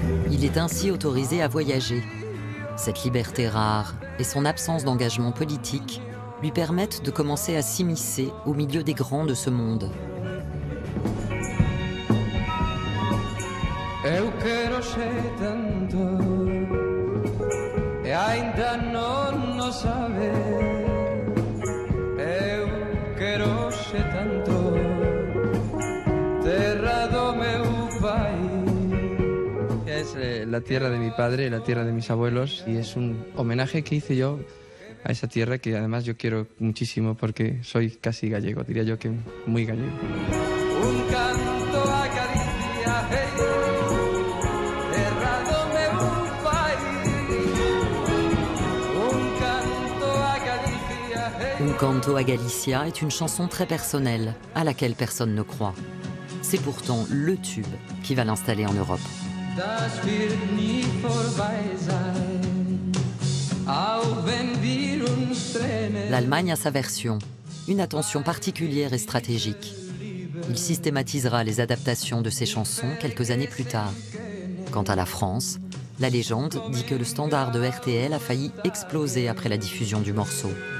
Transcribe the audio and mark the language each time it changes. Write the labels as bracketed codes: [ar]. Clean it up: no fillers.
[fr] Il est ainsi autorisé à voyager. Cette liberté rare et son absence d'engagement politique lui permettent de commencer à s'immiscer au milieu des grands de ce monde. [gl] Eu quero che tanto e ainda non lo sabe. Eu quero che tanto terra do meu pai. [es] Es la tierra de mi padre, la tierra de mis abuelos, y es un homenaje que hice yo a esa tierra que además yo quiero muchísimo porque soy casi gallego, diría yo que muy gallego. Un canto acaricia. [fr] Un canto a Galicia est une chanson très personnelle, à laquelle personne ne croit. C'est pourtant le tube qui va l'installer en Europe. [de] Das wird nie vorbei sein, auch wenn wir uns trennen. [fr] L'Allemagne a sa version, une attention particulière et stratégique. Il systématisera les adaptations de ses chansons quelques années plus tard. Quant à la France, la légende dit que le standard de RTL a failli exploser après la diffusion du morceau.